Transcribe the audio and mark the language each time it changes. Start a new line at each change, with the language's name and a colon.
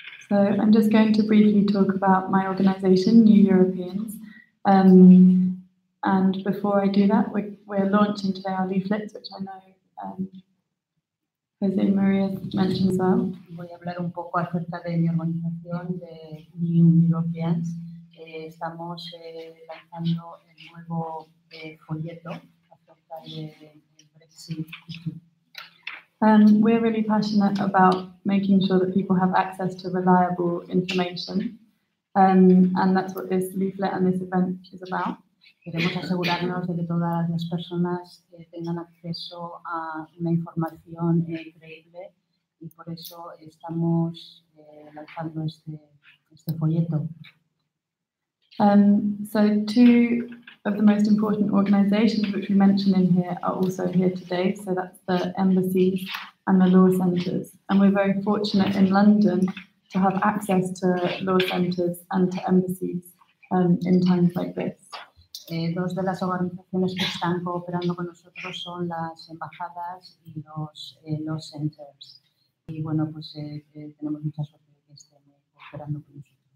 English: So I'm just going to briefly talk about my organisation, New Europeans. And before I do that, we're launching today our leaflets, which I know José María mentioned as well.
Spanish: Voy a hablar un poco acerca de mi organización, de New Europeans. Estamos lanzando el nuevo folleto acerca del Brexit.
English: We're really passionate about making sure that people have access to reliable information. And that's what this leaflet and this event is about.
Spanish: Queremos asegurarnos de que todas las personas tengan acceso a una información creíble. Y por eso estamos lanzando este folleto.
English: So two of the most important organizations which we mentioned in here are also here today. So that's the embassies and the law centers. And we're very fortunate in London to have access to law centers and to embassies in times like this.
Spanish: Dos de las organizaciones que están cooperando con nosotros son las embajadas y los
English: law centers.
Spanish: Y bueno, pues tenemos mucha suerte que estén cooperando con nosotros.